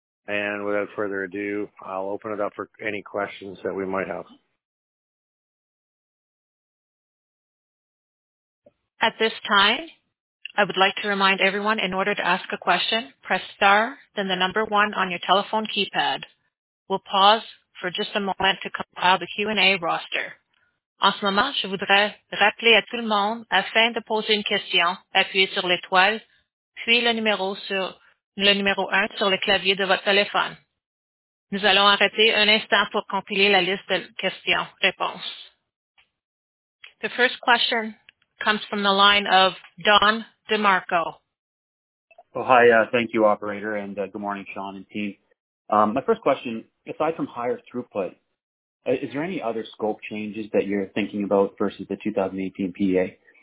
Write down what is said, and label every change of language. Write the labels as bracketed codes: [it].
[en] And without further ado, I'll open it up for any questions that we might have. At this time, I would like to remind everyone, in order to ask a question, press star, then the number one on your telephone keypad. We'll pause for just a moment to compile the Q&A roster. [fr] En ce moment, je voudrais rappeler à tout le monde, afin de poser une question, appuyez sur l'étoile, puis le numéro 1 sur le clavier de votre téléphone. Nous allons arrêter un instant pour compiler la liste de questions-réponses. [en] The first question comes from the line of Don DeMarco. Oh, hi. Thank you, operator, and good morning, Sean and team. My first question, aside from higher throughput, is there any other scope changes that you're thinking about versus the 2018 PEA?